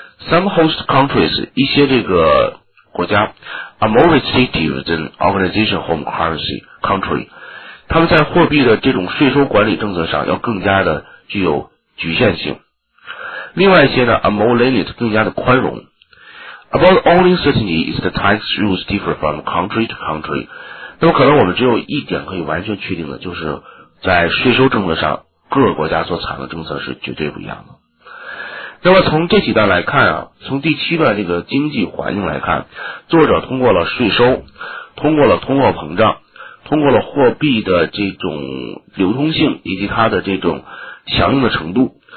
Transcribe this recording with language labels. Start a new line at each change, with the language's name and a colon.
English: Some host countries,
Chinese: 一些这个国家
English: ,are more restrictive than organization home currency country.
Chinese: 他们在货币的这种税收管理政策上要更加的具有局限性。另外一些呢 ,
English: are more lenient,
Chinese: 更加的宽容。
English: About only certainty is the tax rules differ from country to country.
Chinese: 那么可能我们只有一点可以完全确定的，就是在税收政策上各个国家所采用的政策是绝对不一样的。那么从这几段来看啊，从第七段这个经济环境来看，作者通过了税收，通过了通货膨胀，通过了货币的这种流通性以及它的这种强硬的程度。